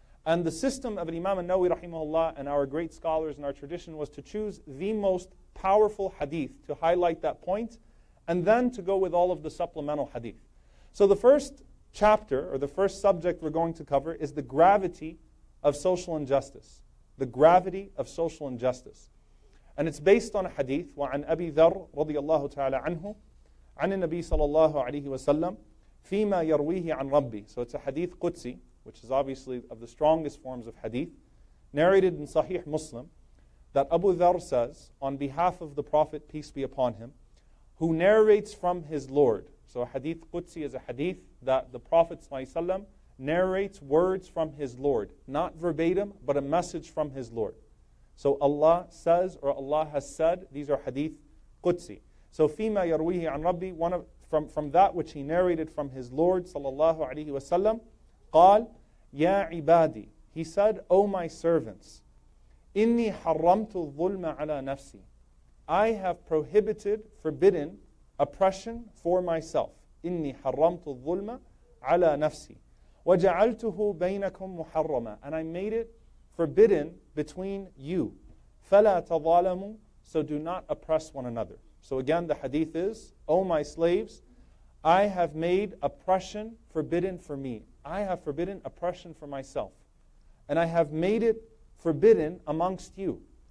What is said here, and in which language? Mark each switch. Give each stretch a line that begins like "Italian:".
English: And the system of Imam An-Nawawi rahimahullah and our great scholars and our tradition was to choose the most powerful hadith to highlight that point, and then to go with all of the supplemental hadith. So the first chapter, or the first subject we're going to cover, is the gravity of social injustice. The gravity of social injustice. And it's based on a hadith,
Arabic: وَعَنْ أَبِي ذَرْ رَضِيَ اللَّهُ تَعَالَى عَنْهُ عَنِ النَّبِي صَلَى اللَّهُ عَلَيْهِ وَسَلَّمْ فِيمَا يَرْوِيهِ عَنْ رَبِّي.
English: So it's a hadith Qudsi, which is obviously of the strongest forms of hadith, narrated in Sahih Muslim, that Abu Dharr says, on behalf of the Prophet, peace be upon him, who narrates from his Lord. So a hadith Qudsi is a hadith that the Prophet ﷺ narrates words from his Lord, not verbatim, but a message from his Lord. So Allah says, or Allah has said, these are hadith Qudsi. So
Arabic: فِيمَا يَرْوِيهِ عَنْ رَبِّي,
English: one of, from that which he narrated from his Lord, sallallahu alayhi wa sallam,
Arabic: قال يَا عِبَادِي,
English: he said, O my servants,
Arabic: إِنِّي حَرَّمْتُ الظُّلْمَ عَلَى نَفْسِي,
English: I have prohibited, forbidden oppression for myself.
Arabic: إِنِّي حَرَّمْتُ الظُّلْمَ عَلَى نَفْسِي وَجَعَلْتُهُ بَيْنَكُمْ مُحَرَّمًا,
English: and I made it forbidden between you.
Arabic: فَلَا تَظَالَمُوا,
English: so do not oppress one another. So again, the hadith is, O my slaves, I have made oppression forbidden for me. I have forbidden oppression for myself. And I have made it forbidden amongst you.